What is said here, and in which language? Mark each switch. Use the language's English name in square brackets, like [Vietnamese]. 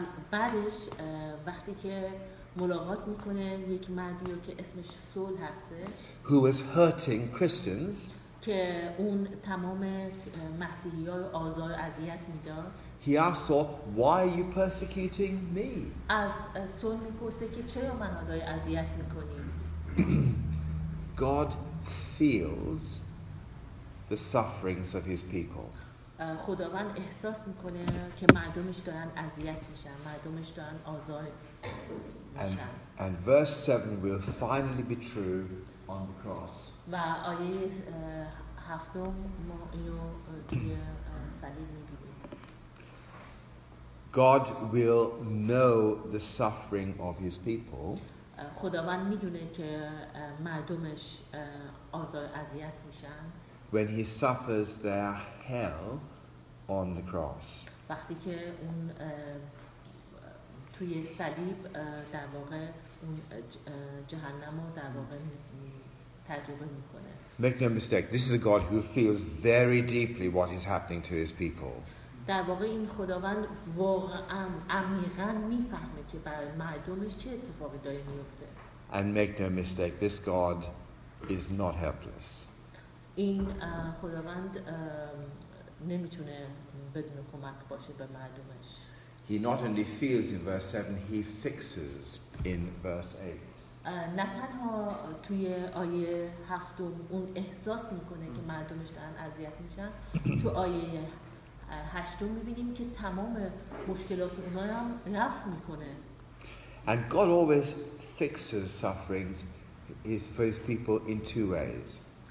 [Persian] بعدش وقتی که ملاقات میکنه یک مردی رو که اسمش سول هستش [English] who was hurting Christians [Persian] که اون تمام مسیحی‌ها رو آزار اذیت میداد. [English] He asked Saul, why are you persecuting me? [Persian] از سول میپرسه که چرا منو داری اذیت میکنی؟ [English] God feels the sufferings of his people. [Persian] خداوند احساس میکنه که مردمش دارن اذیت میشن، مردمش دارن آزار میشن. [English] And verse 7 will finally be true on the cross. [Persian] و آیه 7 ما اینو توی صلیب میبینیم. [English] God will know the suffering of his people. [Persian] خداوند میدونه که مردمش آزار اذیت میشن. [English] When he suffers their hell on the cross. [Persian] وقتی که اون توی صلیب در واقع اون جهنم رو در واقع تجربه میکنه. [English] Make no mistake, this is a God who feels very deeply what is happening to his people. [Persian] در واقع این خداوند واقعا عمیقا میفهمه که برای مردمش چه اتفاقی داره میفته. [English] And make no mistake, this God is not helpless. [Persian] این خداوند نمیتونه بدون کمک باشه به مردمش. [English] He not only feels in verse 7, he fixes in verse 8. [Persian] نه تنها توی آیه 7 اون احساس میکنه که مردمش دارن اذیت میشن، تو آیه 8 میبینیم که تمام مشکلات اونا هم رفع میکنه. [English] And God always fixes sufferings for his people in two ways.